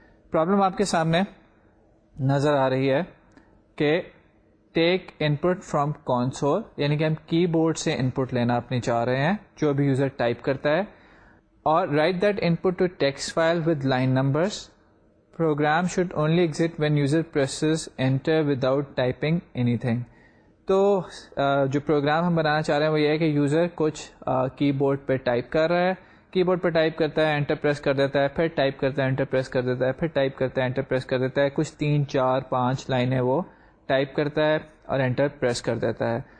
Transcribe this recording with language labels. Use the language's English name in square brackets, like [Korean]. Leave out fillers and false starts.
[Urdu] Problem آپ کے سامنے نظر آ رہی ہے کہ [English] take input from console, [Urdu] یعنی کہ ہم کی بورڈ سے ان پٹ لینا اپنی چاہ رہے ہیں جو بھی یوزر ٹائپ کرتا ہے, اور [English] Write that input to text file with line numbers. Program should only exit when user presses enter without typing anything. [Urdu] تو جو پروگرام ہم بنانا چاہ رہے ہیں وہ یہ ہے کہ یوزر کچھ کی بورڈ پہ ٹائپ کر رہا ہے, کی بورڈ پہ ٹائپ کرتا ہے, انٹر پریس کر دیتا ہے, پھر ٹائپ کرتا ہے, انٹر پریس کر دیتا ہے, پھر ٹائپ کرتا ہے, انٹر پریس کر دیتا ہے, کچھ تین چار پانچ لائنیں وہ ٹائپ کرتا ہے اور انٹر پریس کر دیتا ہے.